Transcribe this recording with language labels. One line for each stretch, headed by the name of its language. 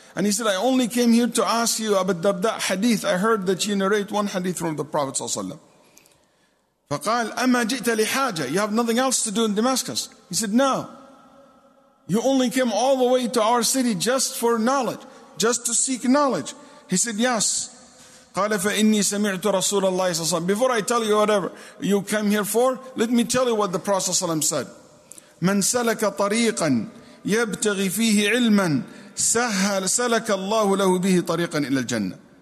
English: And he said, I only came here to ask you Abu Darda hadith. I heard that you narrate one hadith from the Prophet Sallallahu Alaihi Wasallam.
Arabic: فقال, أما جئت لحاجة?
English: You have nothing else to do in Damascus. He said, no. You only came all the way to our city just for knowledge, just to seek knowledge. He said, yes.
Arabic: قال فإني سمعت رسول الله صلى الله عليه وسلم.
English: Before I tell you whatever you came here for, let me tell you what the Prophet ﷺ said.
Arabic: من سلك طريقا يبتغي فيه علما سهل سلك الله له به طريقا إلى الجنة.